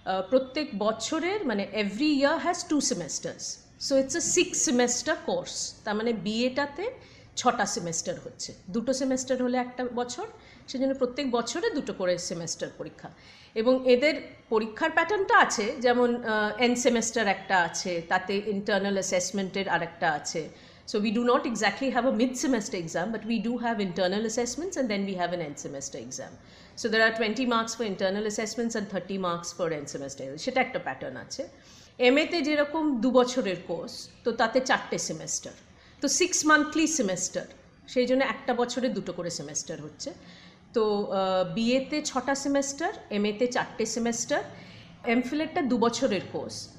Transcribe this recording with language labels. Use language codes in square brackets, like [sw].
[bn] প্রত্যেক বছরের, মানে [en] Every year has 2 semesters, so it's a 6 semester course. [bn] তার মানে বিএটাতে 6টা semester হচ্ছে, 2 semester হলে 1টা বছর, সেজন্য প্রত্যেক বছরে 2টা করে semester পরীক্ষা। এবং এদের পরীক্ষার প্যাটার্নটা আছে, যেমন এন্ড সেমেস্টার একটা আছে, তাতে ইন্টারনাল অ্যাসেসমেন্টের আরেকটা আছে। [en] So we do not exactly have a mid-semester exam, but we do have internal assessments and then we have an end-semester exam. So there are 20 marks for internal assessments and 30 marks for end-semester. [bn] সেটা একটা pattern আছে। এমএতে যেরকম 2 বছরের course, তো তাতে 4টে semester, তো 6 monthly semester, সেই জন্য 1টা বছরে 2টো করে semester হচ্ছে। তো বিএতে 6টা semester, এমএতে 4টে semester, এমফিলেরটা 2 বছরের কোর্স।